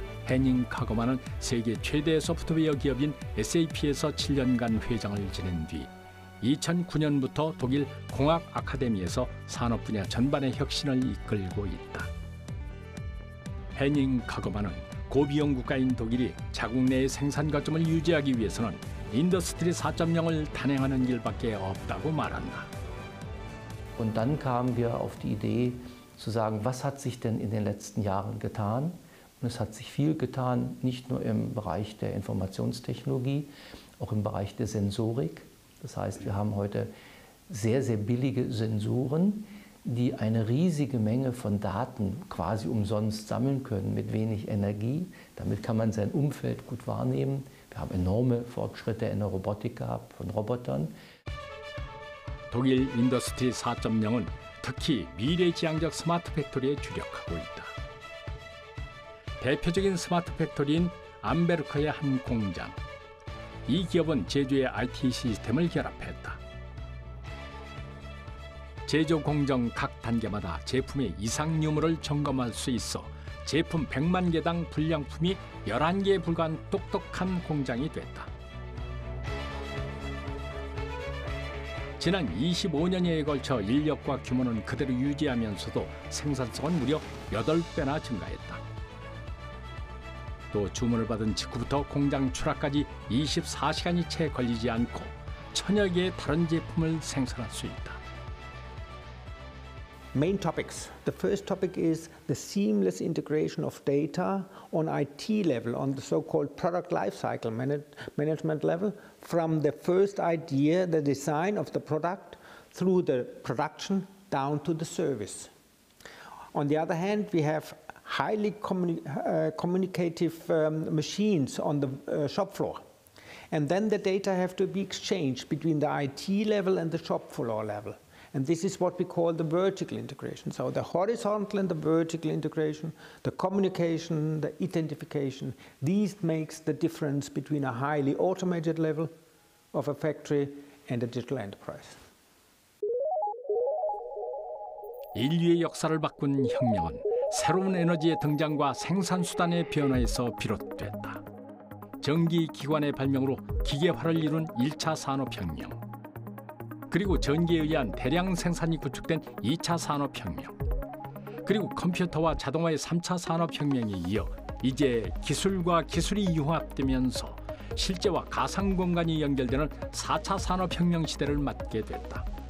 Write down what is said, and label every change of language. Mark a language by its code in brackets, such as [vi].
[ko] 헤닝 카거만은 세계 최대 소프트웨어 기업인 SAP에서 7년간 회장을 지낸 뒤 2009년부터 독일 공학 아카데미에서 산업 분야 전반의 혁신을 이끌고 있다. 헤닝 카거만은 고비용 국가인 독일이 자국 내의 생산 거점을 유지하기 위해서는 인더스트리 4.0을 단행하는 길밖에 없다고 말한다. [de] Und dann kamen wir auf die Idee zu sagen, was hat sich denn in den letzten Jahren getan? Und es hat sich viel getan, nicht nur im Bereich der Informationstechnologie, auch im Bereich der Sensorik. Das heißt, wir haben heute sehr, sehr billige Sensoren, die eine riesige Menge von Daten quasi umsonst sammeln können mit wenig Energie. Damit kann man sein Umfeld gut wahrnehmen. Wir haben enorme Fortschritte in der Robotik gehabt, von Robotern. [ko] 독일 인더스트리 4.0은 특히 미래지향적 스마트 팩토리에 주력하고 있다. 대표적인 스마트 팩토리인 암베르크의 한 공장. 이 기업은 제주의 IT 시스템을 결합했다. 제조 공정 각 단계마다 제품의 이상 유무를 점검할 수 있어 제품 100만 개당 불량품이 11개에 불과한 똑똑한 공장이 됐다. 지난 25년여에 걸쳐 인력과 규모는 그대로 유지하면서도 생산성은 무려 8배나 증가했다. 또 주문을 받은 직후부터 공장 출하까지 24시간이 채 걸리지 않고 천여 개의 다른 제품을 생산할 수 있다. [en] Main topics. The first topic is the seamless integration of data on IT level, on the so-called product lifecycle management level, from the first idea, the design of the product, through the production down to the service. On the other hand, we have highly communicative machines on the shop floor. And then the data have to be exchanged between the IT level and the shop floor level. And this is what we call the vertical integration. So the horizontal and the vertical integration, the communication, the identification, these makes the difference between a highly automated level of a factory and a digital enterprise. [ko] 인류의 역사를 바꾼 혁명은 새로운 에너지의 등장과 생산 수단의 변화에서 비롯됐다. 전기 기관의 발명으로 기계화를 이룬 1차 산업 혁명. 그리고 전기에 의한 대량 생산이 구축된 2차 산업혁명, 그리고 컴퓨터와 자동화의 3차 산업혁명에 이어 이제 기술과 기술이 융합되면서 실제와 가상 공간이 연결되는 4차 산업혁명 시대를 맞게 됐다.